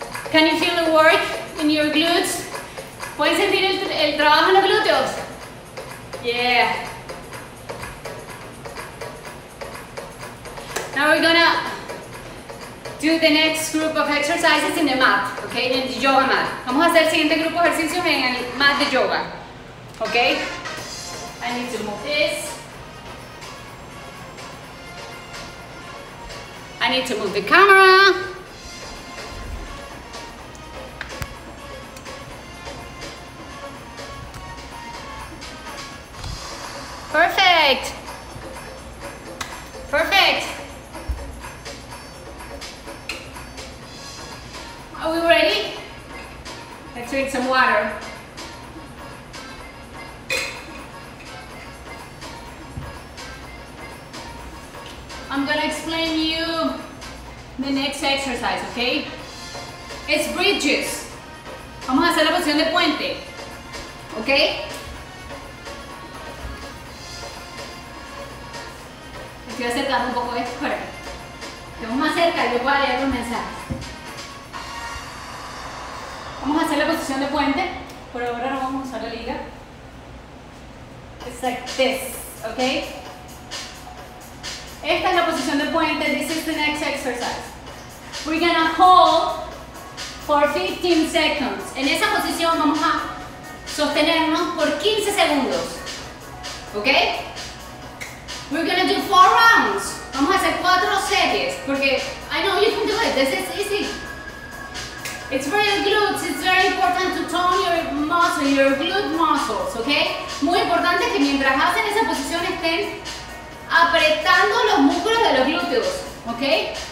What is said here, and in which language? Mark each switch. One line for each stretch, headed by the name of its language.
English: Can you feel the work in your glutes?
Spanish: ¿Puedes sentir el trabajo en los glúteos?
English: Yeah. Now we're gonna do the next group of exercises in the mat, okay? In the yoga mat.
Spanish: Vamos a hacer el siguiente grupo de ejercicios en el mat de yoga, okay?
English: I need to move this. I need to move the camera. Perfect. Perfect. Are we ready? Let's drink some water. I'm gonna explain you the next exercise, okay? It's bridges.
Spanish: Vamos a hacer la posición de puente, okay? Estoy acercando un poco esto para que estemos más cerca y yo pueda leer los mensajes. Vamos a hacer la posición de puente. Por ahora no vamos a usar la liga.
English: It's like this, ok?
Spanish: Esta es la posición de puente.
English: This is the next exercise. We're gonna hold for 15 seconds.
Spanish: En esa posición vamos a sostenernos por 15 segundos.
English: Ok? We're gonna do 4 rounds.
Spanish: Vamos a hacer 4 series. Porque,
English: I know you can do it. This is easy. It's for your glutes. It's very important to tone your muscle, your glute muscles, okay?
Spanish: Muy importante que mientras hacen esa posición estén apretando los músculos de los glúteos, okay?